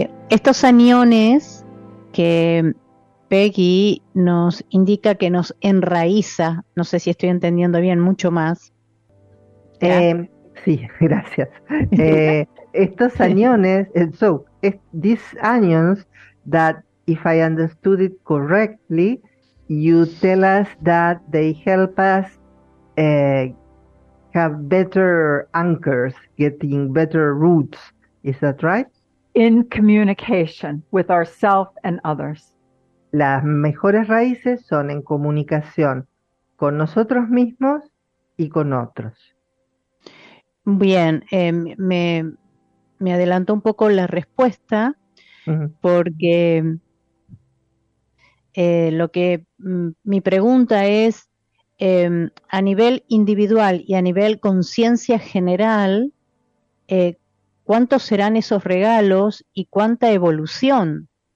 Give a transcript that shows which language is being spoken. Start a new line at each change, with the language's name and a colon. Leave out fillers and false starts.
Spanish: Estos aniones que Peggy nos indica que nos enraiza, no sé si estoy entendiendo bien, mucho más. Sí, gracias. Estos aniones,
English: so, these anions that, if I understood it correctly, you tell us that they help us have better anchors, getting better roots. Is that right? In communication with ourselves and others.
Spanish: Las mejores raíces son en comunicación con nosotros mismos y con otros. Bien, me adelanto un poco la respuesta, porque lo que mi pregunta es, a nivel individual y a nivel conciencia general, ¿cuántos serán esos regalos y cuánta evolución?